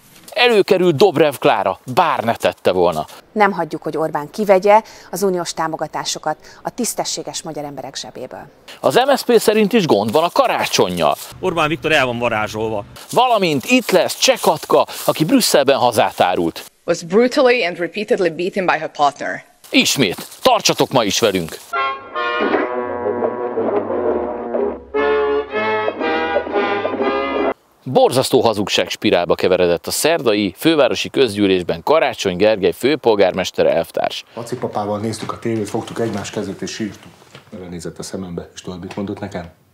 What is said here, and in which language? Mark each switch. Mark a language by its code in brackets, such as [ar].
[hu] Előkerült Dobrev Klára, bár ne tette volna. Nem hagyjuk, hogy Orbán kivegye az uniós támogatásokat a tisztességes magyar emberek zsebéből. Az MSZP szerint is gond van a karácsonnyal. Orbán Viktor el van varázsolva. Valamint itt lesz Cseh Katka, aki Brüsszelben hazát árult. [en] Was brutally and repeatedly beaten by her partner. [hu] Ismét, tartsatok ma is velünk! Borzasztó hazugság spirálba keveredett a szerdai fővárosi közgyűlésben Karácsony Gergely főpolgármester elvtárs. Laci papával néztük a tévét, fogtuk egymás kezét és sírtuk. Belenézett a szemembe, és tudod, mit mondott nekem?